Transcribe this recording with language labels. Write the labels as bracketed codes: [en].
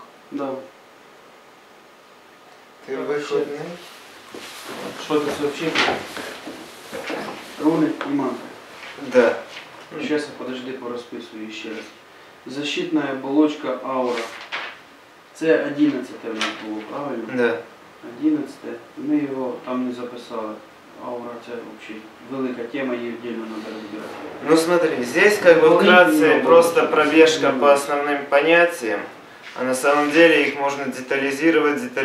[ru] Да. Ты в выходные? Что-то сообщение. Руны и манты. Да. Сейчас я подожди, порасписываю еще раз. Защитная оболочка аура. [uk] Це 11-те в нас було, правильно? [ru] Да. [uk] 11-те. Ми його там не записали. Аура – це взагалі велика тема, її віддільно треба розбирати. [ru] Ну смотри, здесь как бы вкратце просто пробежка по [uk] основним поняттям. [ru] А на самом деле их можно детализировать.